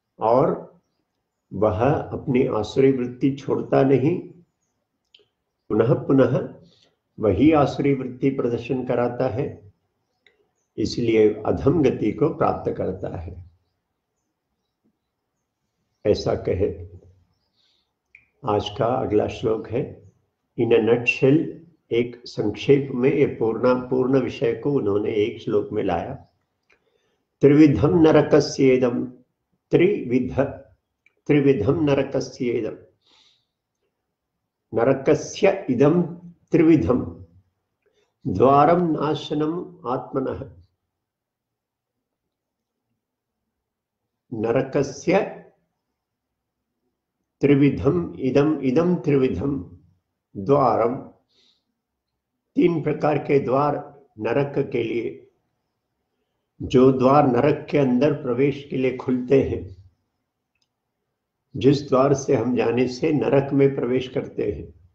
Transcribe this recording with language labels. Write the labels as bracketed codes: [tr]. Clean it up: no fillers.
[hi] और वह अपनी आसुरी वृत्ति छोड़ता नहीं, पुनः पुनः वही आसुरी वृत्ति प्रदर्शन कराता है, इसलिए अधम गति को प्राप्त करता है, ऐसा कहे। आज का अगला श्लोक है, [en] in a nutshell, [hi] एक संक्षेप में ये पूर्ण पूर्ण विषय को उन्होंने एक श्लोक में लाया। [sa] त्रिविधम नरकस्येदम्, त्रिविध त्रिविधम नरकस्येदम्, नरकस्य इदं त्रिविधं, द्वारं नाशनम् आत्मनः। नरकस्य त्रिविधं, इदं इदं त्रिविधं, द्वारं, [hi] तीन प्रकार के द्वार नरक के लिए, जो द्वार नरक के अंदर प्रवेश के लिए खुलते हैं, जिस द्वार से हम जाने से नरक में प्रवेश करते हैं,